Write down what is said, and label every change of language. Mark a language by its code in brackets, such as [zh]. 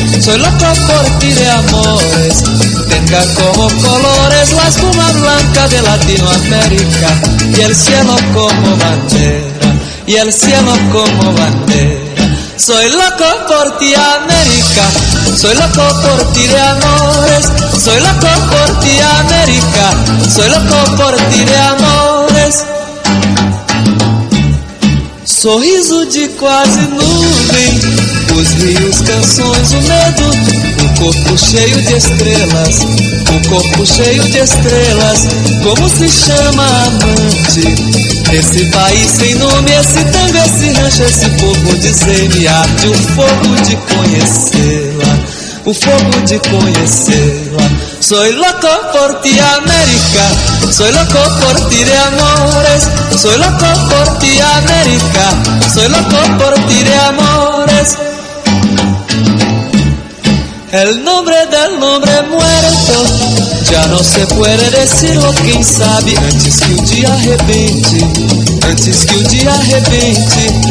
[es] Soy loco por ti de amores, tenga como colores la espuma blanca de Latinoamérica, y el cielo como bandera, y el cielo como bandera. Soy loco por ti, América. Soy loco por ti de amores, soy loco por ti, América. Soy loco por ti de amores. [pt] Sorriso de quase nuvem, os rios, canções, o medo, o corpo cheio de estrelas, o corpo cheio de estrelas. Como se chama amante? Esse país sem nome, esse tango, esse rancho, esse povo de semi-arte, o fogo de conhecê-la, o fogo de conhecê-la. [es] Soy loco por ti, América. Soy loco por ti de amores. Soy loco por ti, América. Soy loco por ti de amores. El nombre del hombre muerto, ya no se puede decirlo, quién sabe, antes que un día arrepente, antes que un día arrepente.